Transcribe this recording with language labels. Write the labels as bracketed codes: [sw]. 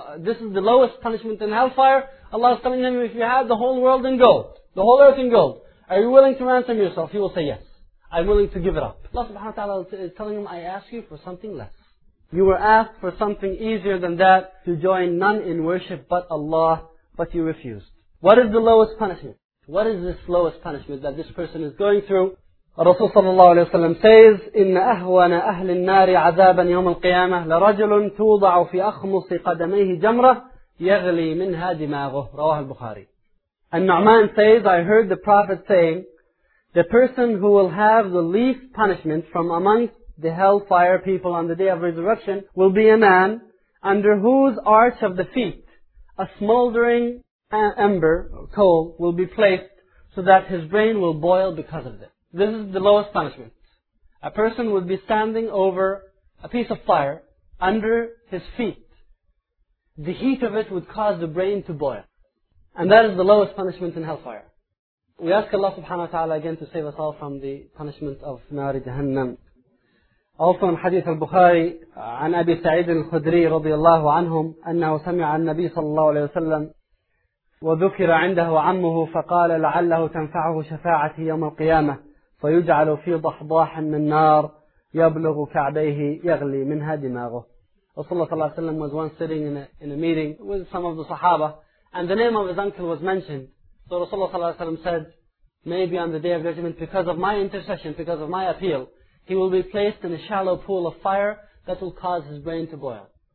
[en] This is the lowest punishment in hellfire. Allah is telling him, if you have the whole world in gold, the whole earth in gold, are you willing to ransom yourself? He will say, yes. I'm willing to give it up. Allah subhanahu wa ta'ala is telling him, I ask you for something less. You were asked for something easier than that, to join none in worship but Allah, but you refused. What is the lowest punishment? What is this lowest punishment that this person is going through? Rasul sallallahu alayhi wa sallam says, [ar] إِنَّ أَهْوَنَ أَهْلِ النَّارِ عَذَابًا يَوْمَ الْقِيَامَةِ لَرَجُلٌ تُوضَعُ فِي أَخْمُصِ قَدَمَيْهِ جَمْرَةِ يَغْلِي مِنْهَا دِمَاغُهُ رواه البخاري. [en] And Nu'man says, I heard the Prophet saying, the person who will have the least punishment from amongst the hellfire people on the day of resurrection will be a man under whose arch of the feet a smoldering ember, coal, will be placed so that his brain will boil because of it. This is the lowest punishment. A person would be standing over a piece of fire under his feet. The heat of it would cause the brain to boil. And that is the lowest punishment in hellfire. We ask Allah subhanahu wa ta'ala again to save us all from the punishment of Nari Jahannam. Also in Hadith al-Bukhari, [ar] عن أبي سعيد الخدري رضي الله عنهم أنه سمع النبي صلى الله عليه وسلم وذكر عنده عمه فقال لعله تنفعه شفاعتي يوم القيامة فيجعل في ضحضاح من نار يبلغ كعبيه يغلي منها دماغه. رسول الله صلى الله عليه وسلم [en] was once sitting in a meeting with some of the Sahaba, and the name of his uncle was mentioned. So [ar] رسول الله صلى الله عليه وسلم [en] said, maybe on the day of judgment, because of my intercession, because of my appeal, he will be placed in a shallow pool of fire that will cause his brain to boil.